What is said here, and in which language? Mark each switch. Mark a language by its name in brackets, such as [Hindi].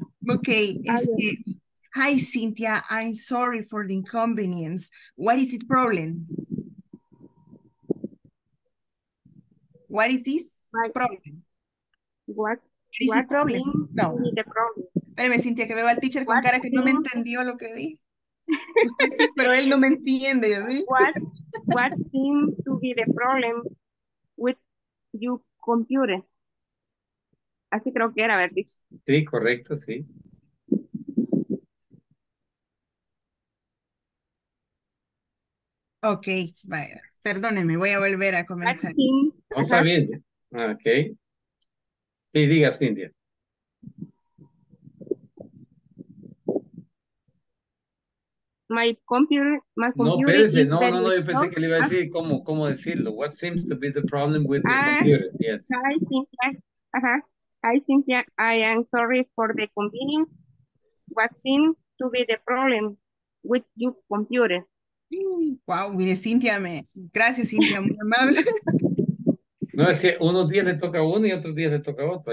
[English] Ok, hi Cynthia, I'm sorry for the inconvenience. What is the problem? [Spanish] Espérame, Cynthia, que veo al teacher con cara que no me entendió lo que di. Usted sí, pero él no me entiende, ¿sí? [English] What seems to be the problem with your computer? [Spanish] Así creo que era, ¿verdad? Sí, correcto, sí. Ok, vaya. Perdóneme, voy a volver a comenzar. Vamos a ver. Ok. Sí, diga, Cynthia. [English] My computer. [Spanish] No, yo pensé que le iba a decir cómo decirlo. [English] What seems to be the problem with the computer? Yes. I am sorry for the convenience. What seems to be the problem with your computer? [Spanish] Wow, mire, Cintia, gracias, Cintia, muy amable. No, es que unos días le toca a uno y otros días le toca a otro.